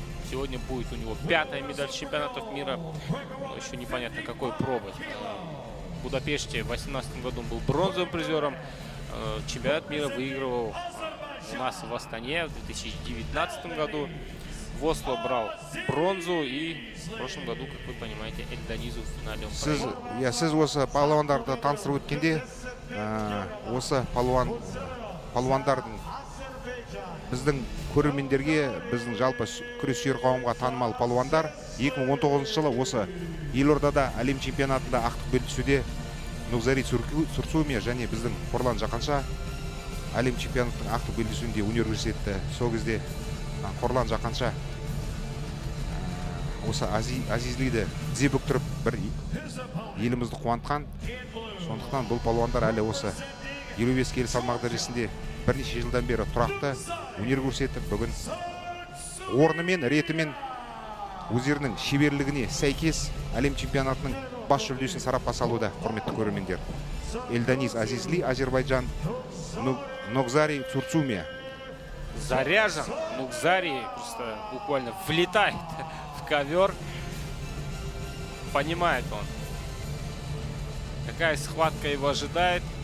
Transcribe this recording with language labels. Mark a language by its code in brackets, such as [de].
[ru] Сегодня будет у него 5-я медаль чемпионатов мира. Но еще непонятно, какой пробы. В Будапеште в 2018 году он был бронзовым призером. Чемпионат мира выигрывал у нас в Астане в 2019 году. В Осло брал бронзу и в прошлом году, как вы понимаете, Эльданизу в финале он проиграл. [kk] Я сіз осы палуандарды таныстырып өткенде, осы палуандардың біздің көрермендерге, біздің жалпы күрес сүйер қауымға танымал палуандар 2019 жылы осы Елордада әлем чемпионатында ақтық белдесуде Нукзари Туртуми және біздің Қорлан Жақанша әлем чемпионатының ақтық белдесуінде өнер көрсетті. Сол кезде Қорлан Жақанша осы Азизлиді тізе бүктіріп бір елімізді қуантқан. Сондықтан бұл палуандар әлі осы 25 келі салмақ дәрежесінде бірнеше жылдан бері тұрақты өнер көрсетіп, бүгін орнымен, ретімен өздерінің шеберлігіне сәйкес әлем чемпионатының бас жүлдесін сарапқа салуда, құрметті көрермендер. [ru] Эльданиз Азизли, Азербайджан, Нукзари Туртуми. Заряжен Нукзари, просто буквально влетает в ковер. Понимает он, какая схватка его ожидает.